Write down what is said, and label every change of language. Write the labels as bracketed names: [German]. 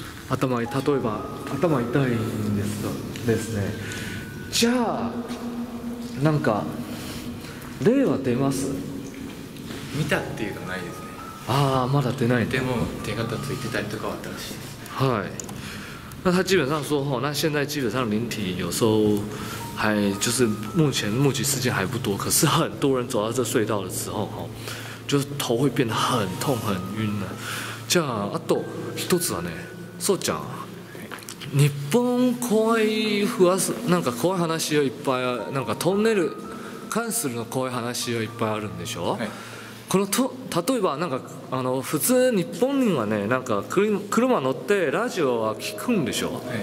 [Japanese] 頭、例えば頭痛いんですか、ですね。じゃあなんか霊は出ます？見たっていうのないですね。ああ、まだ出ない。でも手形ついてたりとかはあったらしいです。はい。 [Chinese] 那他基本上说吼，那现在基本上灵体有时候还就是目前目击事件还不多，可是很多人走到这隧道的时候吼，就是头会变得很痛很晕的。 [Japanese] じゃああと一つはね、そうじゃん。日本怖い話、なんか怖い話をいっぱい、なんかトンネル関するの怖い話をいっぱいあるんでしょ。このと例えばなんかあの普通日本人はね、なんか車乗ってラジオは聞くんでしょ。